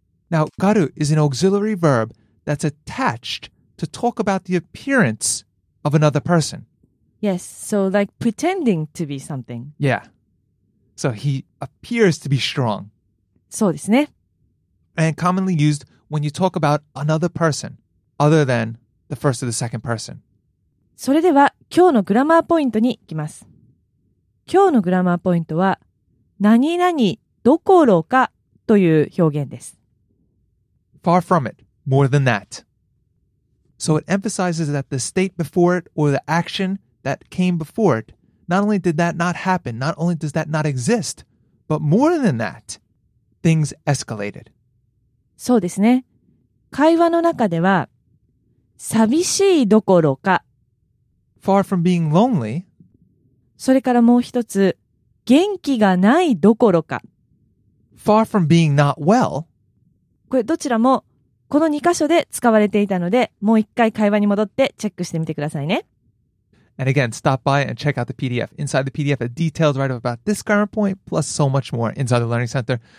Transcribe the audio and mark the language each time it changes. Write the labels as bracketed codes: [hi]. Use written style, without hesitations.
[en] Now, がる is an auxiliary verb that's attached to talk about the appearance of another person. Yes, so like pretending to be something. Yeah. So he appears to be strong. [ja] そうですね。 [en] And commonly used when you talk about another person, other than the first or the second person. [ja] それでは今日のグラマーポイントに行きます。今日のグラマーポイントは、何々どころかという表現です。 [en] Far from it, more than that. So it emphasizes that the state before it or the actionThat came before it, not only did that not happen, not only does that not exist, but more than that, things escalated. [ja] そうですね。会話の中では、寂しいどころか、 [en] far from being lonely, [ja] それからもう一つ、元気がないどころか、 [en] far from being not well, [ja] これどちらもこの2箇所で使われていたので、もう一回会話に戻ってチェックしてみてくださいね。 [en] And again, stop by and check out the PDF. Inside the PDF, a detailed write-up about this grammar point, plus so much more inside the Learning Center.